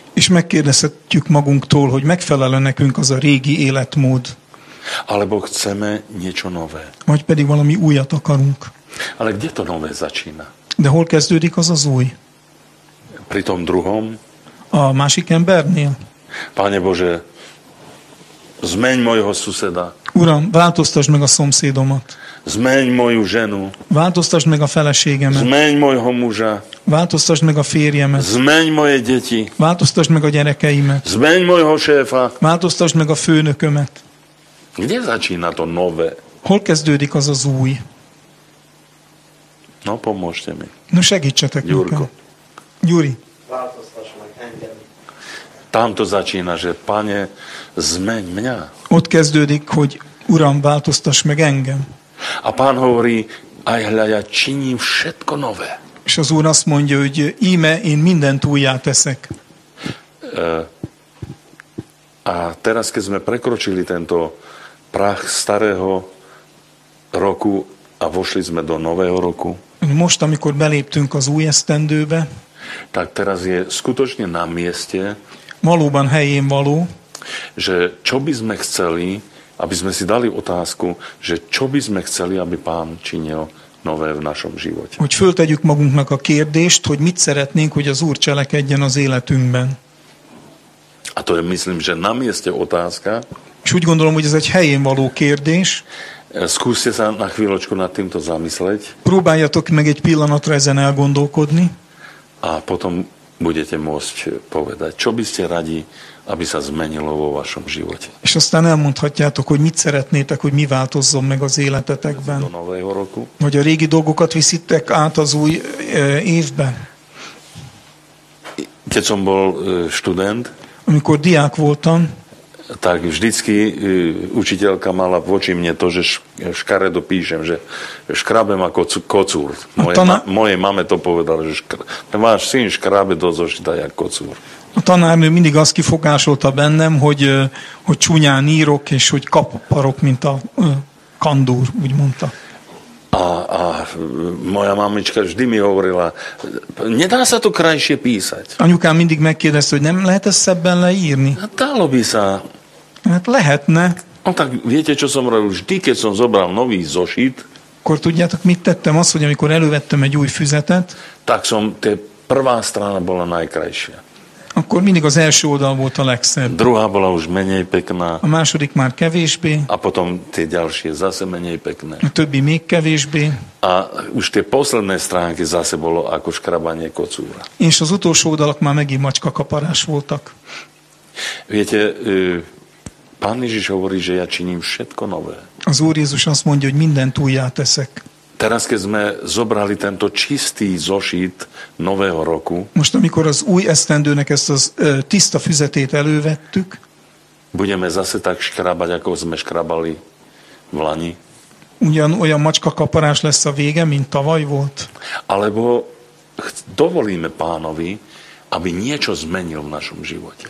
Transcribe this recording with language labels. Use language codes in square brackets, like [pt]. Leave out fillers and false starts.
[hu] És megkérdezhetjük magunktól, hogy megfelel-e nekünk az a régi életmód. [sk] Alebo chceme niečo nové. [hu] Vagy pedig valami újat akarunk. [sk] Ale kde to nové začína? [hu] De hol kezdődik az az új? [sk] Pri tom druhom? [hu] A másik embernél. [sk] Páne Bože, zmeň mojho suseda. [hu] Uram, változtasd meg a szomszédomat. [sk] Zmeň moju ženu. [hu] Változtasd meg a feleségemet. [sk] Zmeň mojho muža. [hu] Változtasd meg a férjemet. [sk] Zmeň moje deti. [hu] Változtasd meg a gyerekeimet. [sk] Zmeň mojho šéfa. [hu] Változtasd meg a főnökömet. [sk] Kde začína to nové? [hu] Hol kezdődik az az új? [sk] No, pomôžte mi. [hu] No, segítsetek. [sk] Gyurko. [hu] Gyuri. Változtass meg engem. [sk] Tam to začína, že Pane, zmeň mňa. [hu] Ott kezdődik, hogy Uram, változtass meg engem. [sk] A Pán hovorí, aj hľa, ja činím všetko nové. [hu] És az Úr azt mondja, hogy íme, én mindent újjá teszek. [sk] A teraz, keď sme prekročili tento prach starého roku a vošli sme do nového roku, [hu] most, amikor beléptünk az új esztendőbe, [sk] tak teraz je skutočne na mieste, [hu] valóban helyén való, [sk] že čo by sme chceli, aby sme si dali otázku, že čo by sme chceli, aby Pán činil nové v našom živote. [hu] Hogy föltegyük magunknak a kérdést, hogy mit szeretnénk, hogy az Úr cselekedjen az életünkben. [sk] A to je, myslím, že na mieste otázka. [hu] És úgy gondolom, hogy ez egy helyén való kérdés. [sk] Skúste sa na chvíľočku nad týmto zamysleť. [hu] Próbáljatok meg egy pillanatra ezen elgondolkodni. [sk] A potom budete môcť povedať, čo by ste radi, aby sa zmenilo vo vašom živote. [hu] És aztán elmondhatjátok, hogy mit szeretnétek, hogy mi változzon meg az életetekben. [sk] Do nového roku. [hu] Hogy a régi dolgokat viszitek át az új évbe. [sk] Keď som bol študent. [hu] Amikor diák voltam. [sk] Tak vždycky učiteľka mala voči mne to, že škaredo píšem, že škrabem ako kocúr. Moje mame to povedala, že váš syn škrabe do zošita jak kocúr. [hu] A tanárnő mindig azt kifogásolta bennem, hogy csúnyán írok, és hogy kapparok, mint a kandúr, úgy mondta. [sk] A moja mamička vždy mi hovorila, nedá sa to krajšie písať. [hu] Anyukám mindig megkérdezte, hogy nem lehet ezt szebben leírni? [sk] Hát dalo by sa. [hu] Hát lehetne. [sk] A tak viete, čo som robil? Vždy, keď som zobral nový zošit. [hu] Akkor tudjátok, mit tettem? Az, hogy amikor elővettem egy új füzetet. [sk] Tak som, te prvá strana bola najkrajšia. [hu] Akkor mindig az első oldal volt a legszebb. [sk] Druhá bola už menej pekná. [hu] A második már kevésbé. [sk] A potom tie ďalšie zase menej pekné. [hu] A többi még kevésbé. [sk] A už tie posledné stránky zase bolo ako škrabanie kocúra. [hu] És az utolsó oldalak már megint macska kaparás voltak. [sk] Viete, Pán Ježiš hovorí, že ja činím všetko nové. [hu] Az Úr Jézus azt mondja, hogy mindent újjá teszek. [sk] Teraz, keď sme zobrali tento čistý zošit nového roku. [hu] Most, amikor az új esztendőnek ezt az tiszta füzetét elővettük. [sk] Budeme zase tak škrabať, ako sme škrabali v lani. [hu] Ugyan olyan macska kaparás lesz a vége, mint tavaly volt. [sk] Alebo dovolíme Pánovi, aby niečo zmenil v našom živote.